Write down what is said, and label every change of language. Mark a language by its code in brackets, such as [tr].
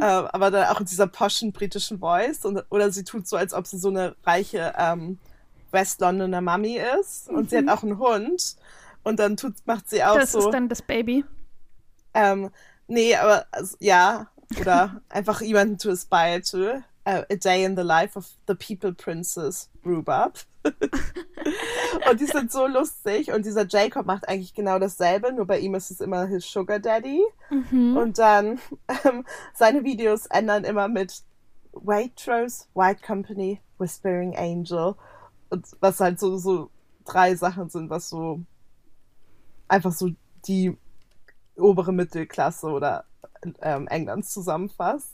[de] Aber dann auch in dieser poschen britischen Voice. Und, oder sie tut so, als ob sie so eine reiche West-Londoner Mami ist. Und mhm. sie hat auch einen Hund. Und dann tut, macht sie auch das so... Das ist dann das Baby? Nee, aber also, ja. Oder einfach jemanden [en] to aspire to. A day in the life of the people princess Rhubarb. [de] Und die sind so lustig. Und dieser Jacob macht eigentlich genau dasselbe, nur bei ihm ist es immer [en] his sugar daddy. [de] Mhm. Und dann seine Videos ändern immer mit Waitrose, White Company, Whispering Angel. Und was halt so, so drei Sachen sind, was so einfach so die obere Mittelklasse oder Englands zusammenfasst.